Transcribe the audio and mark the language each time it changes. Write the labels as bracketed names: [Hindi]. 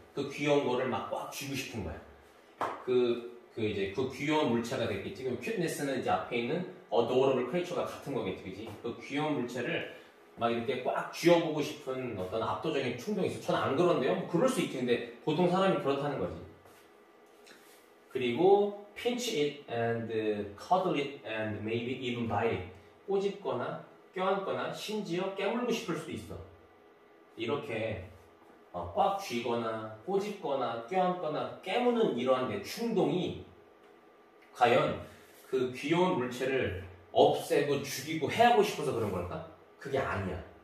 [Korean] 그 귀여운 거를 막 꽉 쥐고 싶은 거야. 그 귀여운 물체가 되겠지? 그럼 cuteness는 이제 앞에 있는 [English] adorable creature가 [Korean] 같은 거겠지? 그치? 그 귀여운 물체를 막 이렇게 꽉 쥐어보고 싶은 어떤 압도적인 충동이 있어. 전 안 그런데요? 뭐 그럴 수 있겠는데 보통 사람이 그렇다는 거지. [English] 그리고 pinch it and cuddle it and maybe even bite it. [Korean] 꼬집거나 껴안거나 심지어 깨물고 싶을 수도 있어. 이렇게 꽉 쥐거나 꼬집거나 껴안거나 깨무는 이러한 내 충동이 과연 그 귀여운 물체를 없애고 죽이고 해하고 싶어서 그런 걸까? 그게 아니야.